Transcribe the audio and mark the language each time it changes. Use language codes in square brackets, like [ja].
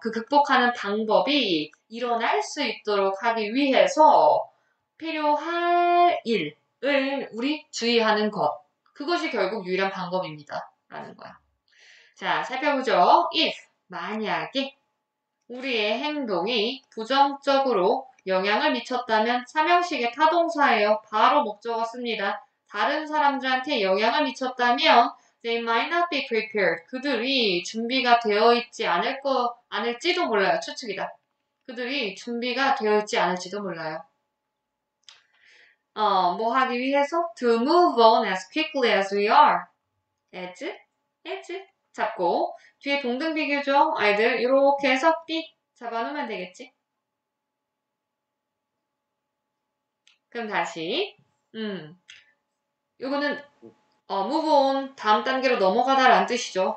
[ko] 그 극복하는 방법이 일어날 수 있도록 하기 위해서 필요할 일을 우리 주의하는 것. 그것이 결국 유일한 방법입니다. 라는 거야. 자, 살펴보죠. If, 만약에 우리의 행동이 부정적으로 영향을 미쳤다면 3형식의 타동사예요. 바로 목적어 씁니다. 다른 사람들한테 영향을 미쳤다면 [en] They might not be prepared. [ko] 그들이 준비가 되어 있지 않을 거, 않을지도 몰라요. 추측이다. 그들이 준비가 되어 있지 않을지도 몰라요. 뭐 하기 위해서? [en] To move on as quickly as we are. [ko] As 잡고, 뒤에 동등 비교죠? 아이들, 이렇게 해서 B 잡아놓으면 되겠지? 그럼 다시. 요거는, [en] move on, [ko] 다음 단계로 넘어가다 라는 뜻이죠.